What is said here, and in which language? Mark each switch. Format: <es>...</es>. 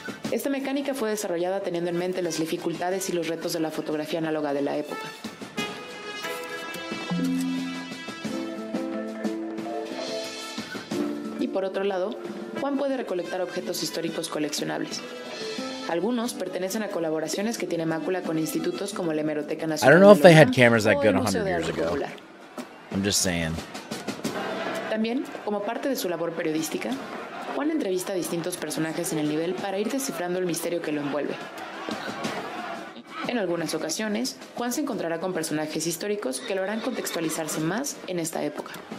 <es>Esta mecánica fue desarrollada teniendo en mente las dificultades y los retos de la fotografía análoga de la época. Y por otro lado, Juan puede recolectar objetos históricos coleccionables. Algunos pertenecen a colaboraciones que tiene Mácula con institutos como la Hemeroteca Nacional.</es> <en>I don't know if they had cameras that good 100 years ago. I'm just saying.</en> <es>También, como parte de su labor periodística, Juan entrevista a distintos personajes en el nivel para ir descifrando el misterio que lo envuelve. En algunas ocasiones, Juan se encontrará con personajes históricos que lo harán contextualizarse más en esta época.</es>